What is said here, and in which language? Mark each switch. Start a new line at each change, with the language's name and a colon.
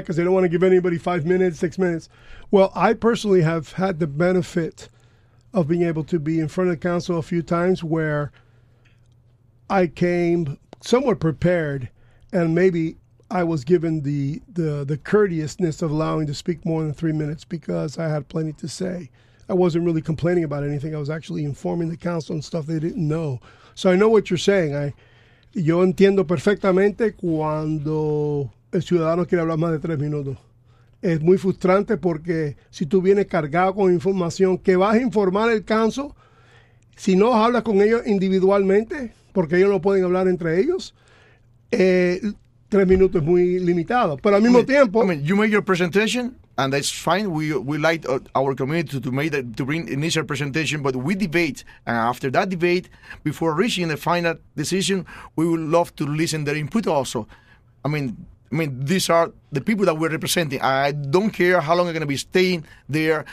English: Because they don't want to give anybody 5 minutes, 6 minutes. Well, I personally have had the benefit of being able to be in front of the council a few times where I came somewhat prepared, and maybe I was given the courteousness of allowing to speak more than 3 minutes because I had plenty to say. I wasn't really complaining about anything. I was actually informing the council and stuff they didn't know. So I know what you're saying.
Spanish: Yo entiendo perfectamente cuando el ciudadano quiere hablar más de 3 minutos. Es muy frustrante porque si tú vienes cargado con información, ¿qué vas a informar el council? Si no hablas con ellos individualmente, porque ellos no pueden hablar entre ellos, 3 minutos es muy limitado. Pero al mismo tiempo,
English: I mean, you make your presentation, and that's fine. We like our community to bring initial presentation, but we debate, and after that debate, before reaching the final decision, we would love to listen their input also. I mean, these are the people that we're representing. I don't care how long I'm going to be staying there.